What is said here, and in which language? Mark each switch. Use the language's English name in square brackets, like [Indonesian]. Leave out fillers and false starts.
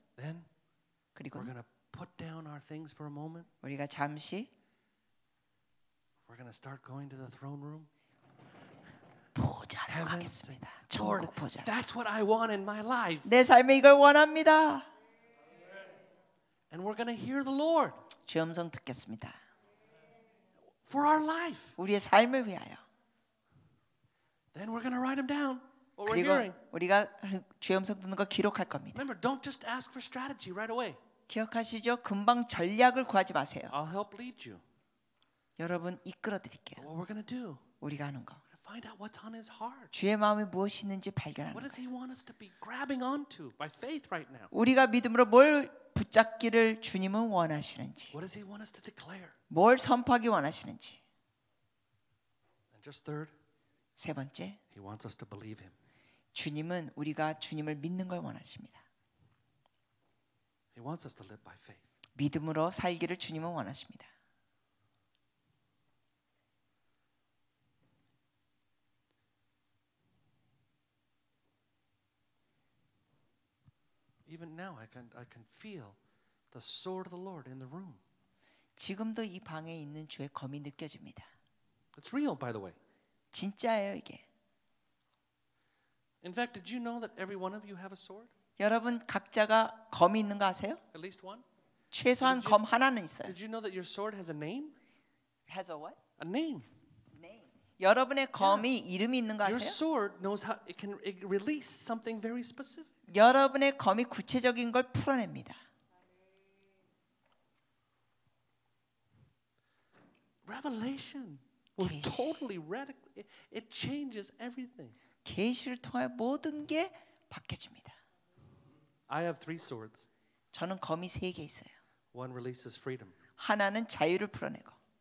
[English] then [Korean] 그리고 [English] we're gonna put down our things for a moment. [Korean] 우리가 잠시 [English] we're gonna start going to the throne room. [Korean] 보좌로 가겠습니다. 천국 보좌. [English] That's what I want in my life. [Korean] 내 삶에 이걸 원합니다. [English] And we're gonna hear the Lord. [Korean] 주 음성 듣겠습니다. [English] For our life. [Korean] 우리의 삶을 위하여. [English] Then we're going to write them down. What we're [Korean] 그리고 [English] hearing. [Korean] 우리가 주의 음성 듣는 거 기록할 겁니다. [English] Remember, don't just ask for strategy right away. [Korean] 기억하시죠? 금방 전략을 구하지 마세요. [English] I'll help lead you. [Korean] 여러분 이끌어 드릴게요. [English] What we're going to do? [Korean] 우리가 하는 거. [English] Find out what's on his heart. [Korean] 주의 마음이 무엇이 있는지 발견하는 거. [English] What does he want us to be grabbing onto by faith right now? [Korean] 우리가 믿음으로 뭘 붙잡기를 주님은 원하시는지. [English] What does he want us to declare? [Korean] 뭘 선포하기 원하시는지. [English] And just third. [Korean] 세 번째, [English] He wants us to believe him. [Korean] 주님은 우리가 주님을 믿는 걸 원하십니다. [English] He wants us to live by faith. [Korean] 믿음으로 살기를 주님은 원하십니다. [English] Even now, I can feel the sword of the Lord in the room. [Korean] 지금도 이 방에 있는 주의 검이 느껴집니다. [English] It's real, by the way. [Korean] 진짜예요 이게. [English] In fact, did you know that every one of you have a sword? [Korean] 여러분 각자가 검이 있는 거 아세요? [English] At least one. [Korean] 최소한 [English] you, [Korean] 검 하나는 있어요. [English] Did you know that your sword has a name? Has a what? A name. Name. [Korean] 여러분의 검이 yeah. 이름이 있는 거 아세요? [English] Your sword knows how it can it release something very specific. [Korean] 여러분의 검이 구체적인 걸 풀어냅니다. [English] Revelation. Will totally radically it changes everything. [Korean] 계시를 통해 모든 게 바뀌어집니다. [English] I have three swords. [Korean] 저는 검이 세 개 있어요. [English] One releases freedom. [Korean] 하나는 자유를 풀어내고.